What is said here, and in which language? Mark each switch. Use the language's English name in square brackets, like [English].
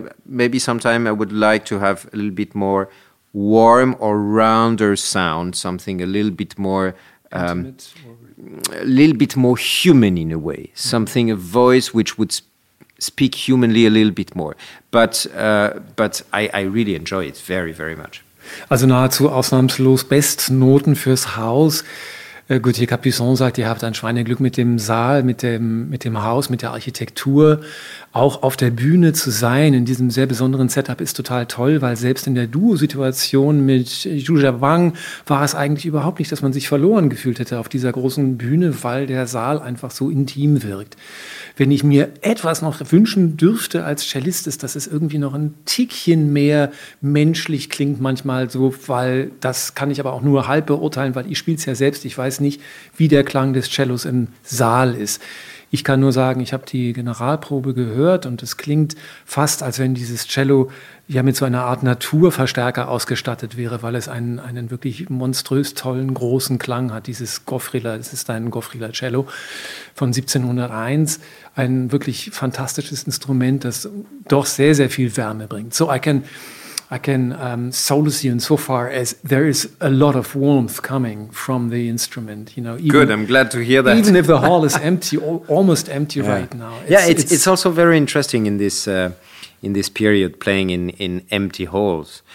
[English] Maybe sometime I would like to have a little bit more warm or rounder sound, something a little bit more a little bit more human in a way, something, a voice which would speak humanly a little bit more. But I really enjoy it very, very much. [German] Also nahezu ausnahmslos Bestnoten fürs Haus. Gauthier Capuçon sagt, ihr habt ein Schweineglück mit dem Saal, mit dem Haus, mit der Architektur. Auch auf der Bühne zu sein in diesem sehr besonderen Setup ist total toll, weil selbst in der Duo-Situation mit Zhu Jiawang war es eigentlich überhaupt nicht, dass man sich verloren gefühlt hätte auf dieser großen Bühne, weil der Saal einfach so intim wirkt. Wenn ich mir etwas noch wünschen dürfte als Cellist, ist, dass es irgendwie noch ein Tickchen mehr menschlich klingt manchmal so, weil das kann ich aber auch nur halb beurteilen, weil ich spiele es ja selbst, ich weiß nicht, wie der Klang des Cellos im Saal ist. Ich kann nur sagen, ich habe die Generalprobe gehört und es klingt fast, als wenn dieses Cello ja mit so einer Art Naturverstärker ausgestattet wäre, weil es einen wirklich monströs tollen, großen Klang hat, dieses Goffriller, es ist ein Goffriller Cello von 1701, ein wirklich fantastisches Instrument, das doch sehr, sehr viel Wärme bringt. [English] So I can solace you in so far as there is a lot of warmth coming from the instrument. You know, even, good. I'm glad to hear that. Even if the hall is empty, almost empty yeah. right now. It's also very interesting in this period playing in empty halls.